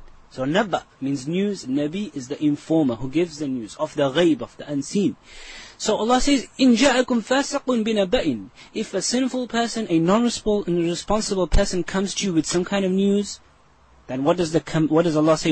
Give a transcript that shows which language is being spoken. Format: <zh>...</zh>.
<en>So naba means news. Nabi is the informer who gives the news of the ghaib, of the unseen. So Allah says,</en> <ar>إِن جَاءَكُمْ فَاسِقٌ بِنَبَئٍ.</ar> <en>If a sinful person, a non-responsible person comes to you with some kind of news, then what does Allah say?</en>